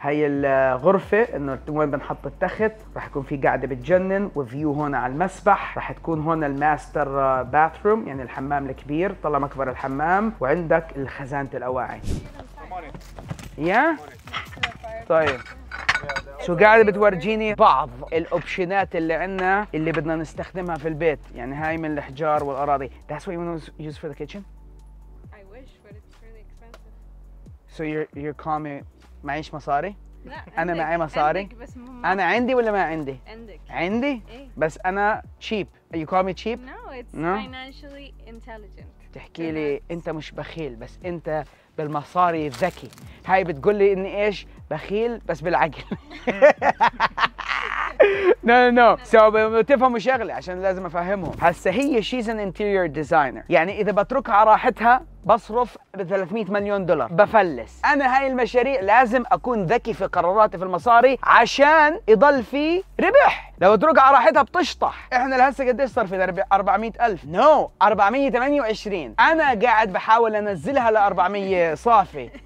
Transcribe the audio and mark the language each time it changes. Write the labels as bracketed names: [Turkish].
[Arabic] هاي الغرفة انه وين بنحط التخت، راح يكون في قاعدة بتجنن، وفيو هون على المسبح، راح تكون هون الماستر باثروم يعني الحمام الكبير، طلع مكبر الحمام، وعندك الخزانة الاواعي. يا طيب شو قاعد بتورجيني بعض الاوبشنات اللي عندنا اللي بدنا نستخدمها في البيت. يعني هاي من الحجار والاراضي. [English] That's what you want to use for the kitchen. I wish, but it's really expensive. So you're calling me [Arabic] معيش مصاري؟ لا انا معي مصاري. انا عندي ولا ما عندي؟ عندك. عندي إيه؟ بس انا cheap. [English] You call me cheap. No, it's no? financially intelligent. [Arabic] تحكي لي انت مش بخيل، بس انت بالمصاري الذكي. هاي بتقول لي اني ايش؟ بخيل بس بالعقل. [English] No. So [Arabic] بتفهموا شغلة عشان لازم افهمهم. هسه هي [English] she's an interior designer. [Arabic] يعني اذا بتركها راحتها بصرف $300 مليون بفلس. انا هاي المشاريع لازم اكون ذكي في قراراتي في المصاري عشان يضل في ربح. لو اتركها راحتها بتشطح. احنا لهسه قديش صرفنا؟ 400,000. نو 428. انا قاعد بحاول انزلها ل 400 صافي.